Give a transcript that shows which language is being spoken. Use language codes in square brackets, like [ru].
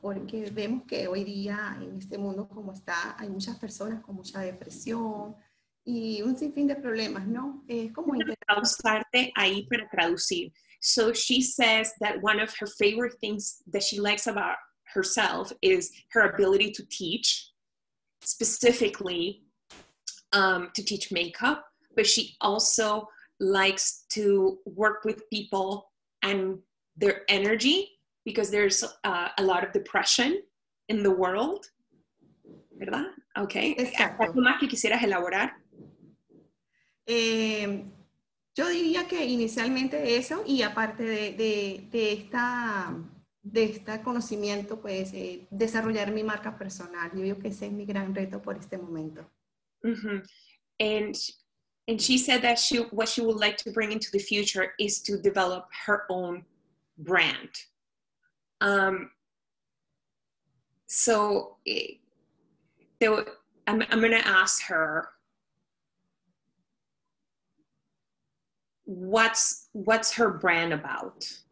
[es] Porque vemos que hoy día en este mundo como está, hay muchas personas con mucha depresión y un sinfín de problemas, ¿no? Es como usarte ahí para traducir. [en] So she says that one of her favorite things that she likes about herself is her ability to teach, specifically to teach makeup, but she also likes to work with people and their energy because there's a lot of depression in the world. [es] ¿Verdad? Okay. Exacto. ¿Más que quisieras elaborar? Yo diría que inicialmente eso, y aparte de este conocimiento, pues desarrollar mi marca personal. Yo digo que ese es mi gran reto por este momento. Mm-hmm. [en] And she said that what she would like to bring into the future is to develop her own brand. So I'm going to ask her, what's her brand about?